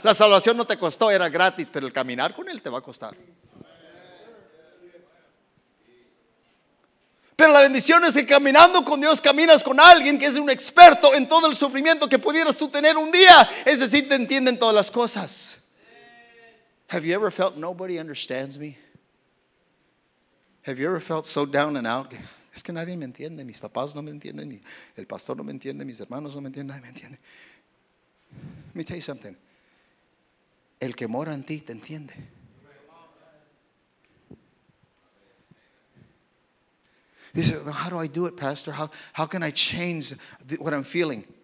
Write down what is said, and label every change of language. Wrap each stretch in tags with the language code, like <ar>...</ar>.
<es>La salvación no te costó, era gratis, pero el caminar con Él te va a costar. Pero la bendición es que caminando con Dios caminas con alguien que es un experto en todo el sufrimiento que pudieras tú tener un día. Es decir, te entienden todas las cosas.</es> <en>Have you ever felt nobody understands me? Have you ever felt so down and out?</en> <es>Es que nadie me entiende, mis papás no me entienden, el pastor no me entiende, mis hermanos no me entienden, nadie me entiende.</es> <en>Let me tell you something.</en> <es>El que mora en ti te entiende.</es> <en>He said, well, how do I do it, Pastor? How can I change what I'm feeling?</en>